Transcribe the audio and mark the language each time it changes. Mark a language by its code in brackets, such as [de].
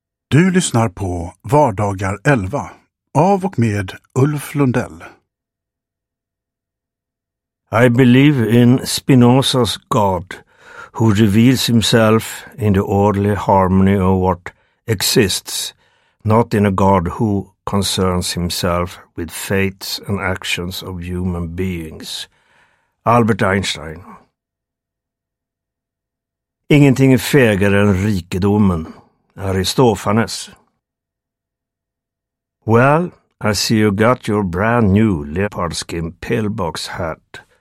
[sv] Du lyssnar på Vardagar 11 av och med Ulf Lundell. [en] I believe in Spinoza's God, who reveals himself in the orderly harmony of what exists, not in a God who concerns himself with fates and actions of human beings. Albert Einstein. [sv] Ingenting är fegare än rikedomen. Aristofanes. [en] Well, I see you got your brand new leopard skin pillbox hat.